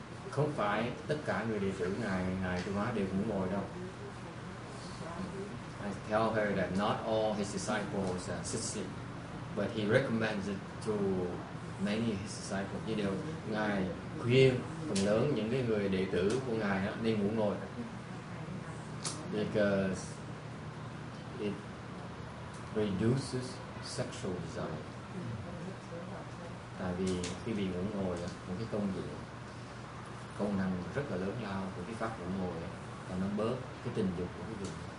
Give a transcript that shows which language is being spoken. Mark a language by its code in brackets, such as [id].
[vi] Không phải tất cả người đệ tử ngài Phương Hóa đều ngủ ngồi đâu. [en] I tell her that not all his disciples sit sleep, but he recommends it to many of his disciples. You know, [vi] ngài khuyên phần lớn những cái người đệ tử của ngài đó nên ngủ ngồi. [en] Because it reduces sexual desire. [vi] Tại vì khi bị ngủ ngồi đó, một cái công việc công năng rất là lớn lao của cái pháp ngủ ngồi đó, nó bớt cái tình dục của cái người.